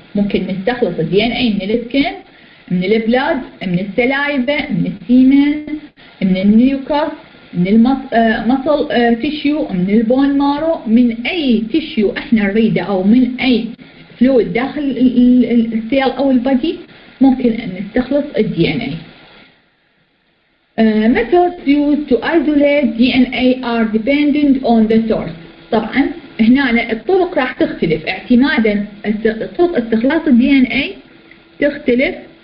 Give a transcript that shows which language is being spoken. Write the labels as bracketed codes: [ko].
[ar] ممكن نستخلص DNA من السكن، من البلاد، من السلايفة، من السيمن، من النيوكاس، من المصل تيشيو، من البون مارو، من أي تيشيو احنا نريده أو من أي فلويد داخل السيل أو البادي ممكن أن نستخلص DNA. [en] Methods used to isolate DNA are dependent on the source. [ar] طبعا هنا الطرق راح تختلف اعتمادا طرق استخلاص DNA تختلف.